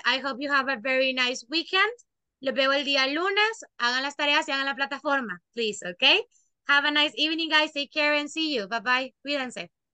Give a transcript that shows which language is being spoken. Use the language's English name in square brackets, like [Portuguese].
[English] I hope you have a very nice weekend. [Spanish] Los veo el día lunes. Hagan las tareas y hagan la plataforma, please, ¿ok? [English] Have a nice evening, guys. Take care and see you. Bye-bye. [Spanish] Cuídense.